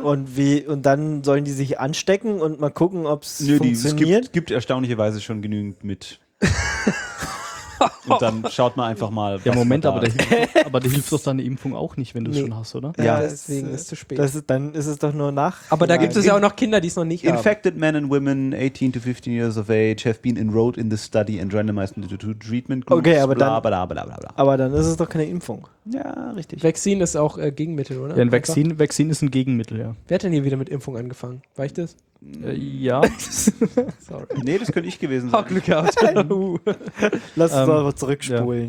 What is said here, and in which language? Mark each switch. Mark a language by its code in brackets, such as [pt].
[de] Und dann sollen die sich anstecken und mal gucken, ob es funktioniert. Es gibt erstaunlicherweise schon genügend mit... Und dann schaut man einfach mal. Ja, Moment, aber der hilft doch deine Impfung auch nicht, wenn du es schon hast, oder? Ja, deswegen ist es zu spät. Dann ist es doch nur nach. Aber da gibt es ja auch noch Kinder, die es noch nicht haben. [en] Infected men and women 18 to 15 years of age have been enrolled in the study and randomized into two treatment groups. [de] Okay, aber dann ist es doch keine Impfung. Ja, richtig. Vaccine ist auch Gegenmittel, oder? Ja, Vaccine ist ein Gegenmittel, ja. Wer hat denn hier wieder mit Impfung angefangen? War ich das? Ja. Sorry. Nee, das könnte ich gewesen sein. Oh, Glück gehabt. Lass uns mal zurückspulen.